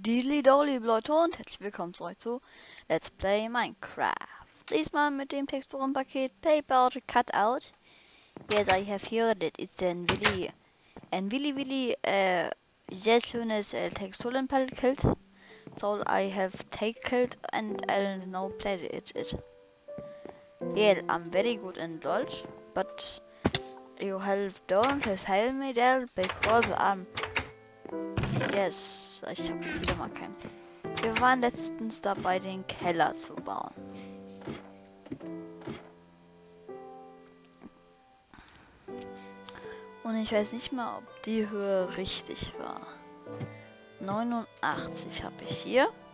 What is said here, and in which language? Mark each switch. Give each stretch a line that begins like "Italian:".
German: Diddly-dolly, Leute, und herzlich willkommen zurück zu Let's Play Minecraft. Diesmal mit dem Texturenpaket Paper Cutout.
English: Yes, I have here that it's a really sehr schönes Texturenpaket. So I have tackled and I don't know played it. Yeah, I'm very good in Deutsch, but you have don't help me there because I'm yes, ich habe wieder mal keinen.
German: Wir waren letztens dabei, den Keller zu bauen. Und ich weiß nicht mal, ob die Höhe richtig war. 89 habe ich hier.